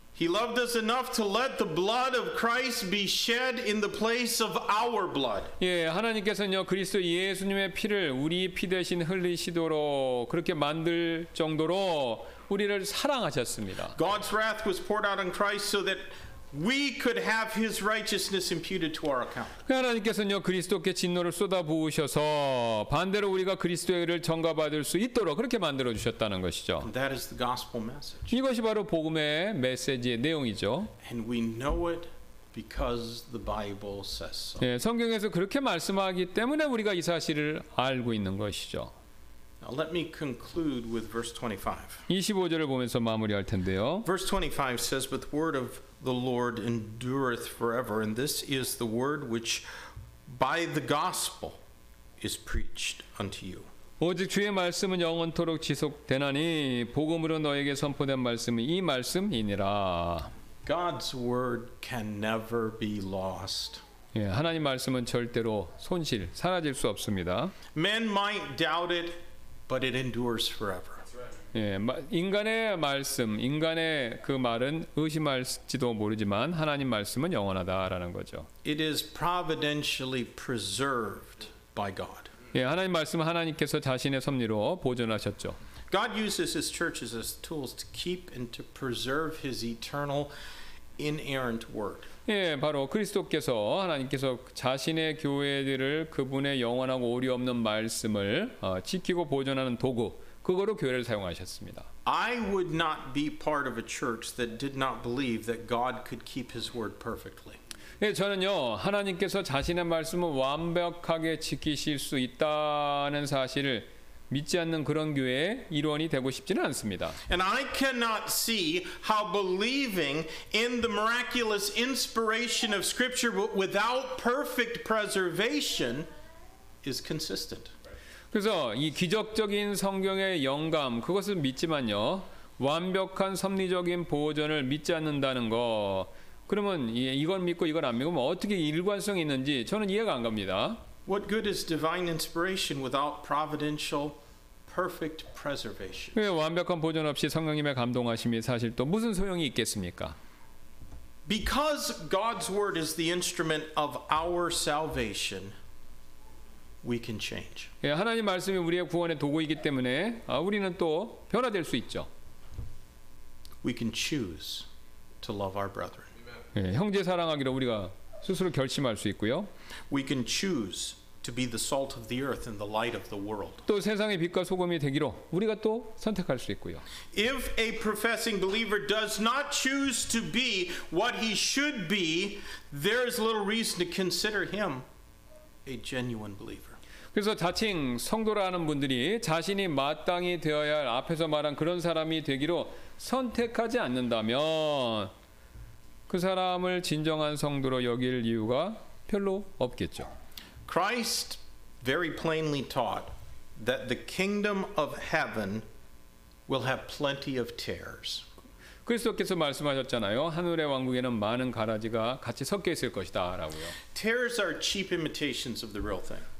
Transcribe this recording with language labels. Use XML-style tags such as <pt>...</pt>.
<en>He loved us enough to let the blood of Christ be shed in the place of our blood.</en> <ko>예, 하나님께서는요 그리스도 예수님의 피를 우리 피 대신 흘리시도록 그렇게 만들 정도로 우리를 사랑하셨습니다.</ko> <en>God's wrath was poured out on Christ so that we could have His righteousness imputed to our account.</en> <ko>하나님께서는요 그리스도께 진노를 쏟아 부으셔서 반대로 우리가 그리스도의 의를 전가받을 수 있도록 그렇게 만들어 주셨다는 것이죠.</ko> <en>And that is the gospel message.</en> <ko>이것이 바로 복음의 메시지의 내용이죠.</ko> <en>And we know it because the Bible says so.</en> <ko>예, 성경에서 그렇게 말씀하기 때문에 우리가 이 사실을 알고 있는 것이죠.</ko> <en>Now let me conclude with verse 25.</en> <ko>25절을 보면서 마무리할 텐데요.</ko> <en>Verse 25 says, "But the word of the Lord endureth forever, and this is the word which by the gospel is preached unto you."</en> <ko>오직 주의 말씀은 영원토록 지속되나니 복음으로 너에게 선포된 말씀은 이 말씀이니라.</ko> <en>God's word can never be lost.</en> <ko>예, 하나님 말씀은 절대로 손실, 사라질 수 없습니다.</ko> <en>Men might doubt it, but it endures forever.</en> <ko>예, 인간의 말씀, 인간의 그 말은 의심할지도 모르지만 하나님 말씀은 영원하다라는 거죠.</ko> <en>It is providentially preserved by God.</en> <ko>예, 하나님 말씀은 하나님께서 자신의 섭리로 보존하셨죠.</ko> <en>God uses His churches as tools to keep and to preserve His eternal, inerrant word.</en> <ko>예, 바로 그리스도께서 하나님께서 자신의 교회들을 그분의 영원하고 오류 없는 말씀을 지키고 보존하는 도구, 그거로 교회를 사용하셨습니다.</ko> <en>I would not be part of a church that did not believe that God could keep His word perfectly.</en> <ko>예, 저는요 하나님께서 자신의 말씀을 완벽하게 지키실 수 있다는 사실을 믿지 않는 그런 교회의 일원이 되고 싶지는 않습니다.</ko> <en>And I cannot see how believing in the miraculous inspiration of Scripture without perfect preservation is consistent.</en> <ko>그래서 이 기적적인 성경의 영감 그것을 믿지만요 완벽한 섭리적인 보존을 믿지 않는다는 거. 그러면 이건 믿고 이건 안 믿고 뭐 어떻게 일관성이 있는지 저는 이해가 안 갑니다.</ko> <en>What good is divine inspiration without providential perfect preservation?</en> <ko>예, 완벽한 보존 없이 성령님의 감동하심이 사실 또 무슨 소용이 있겠습니까?</ko> <en>Because God's word is the instrument of our salvation, we can change.</en> <ko>예, 하나님 말씀이 우리의 구원의 도구이기 때문에 우리는 또 변화될 수 있죠.</ko> <en>We can choose to love our brethren.</en> <ko>예, 형제 사랑하기로 우리가 스스로 결심할 수 있고요.</ko> <en>We can choose to be the salt of the earth and the light of the world.</en> <ko>또 세상의 빛과 소금이 되기로 우리가 또 선택할 수 있고요.</ko> <en>If a professing believer does not choose to be what he should be, there is little reason to consider him a genuine believer.</en> <ko>그래서 자칭 성도라는 분들이 자신이 마땅히 되어야 할 앞에서 말한 그런 사람이 되기로 선택하지 않는다면 그 사람을 진정한 성도로 여길 이유가 별로 없겠죠.</ko> <en>Christ very plainly taught that the kingdom of heaven will have plenty of tares.</en> <ko>그리스도께서 말씀하셨잖아요. 하늘의 왕국에는 많은 가라지가 같이 섞여 있을 것이다라고요.</ko> <en>Tares are cheap imitations of the real thing.</en>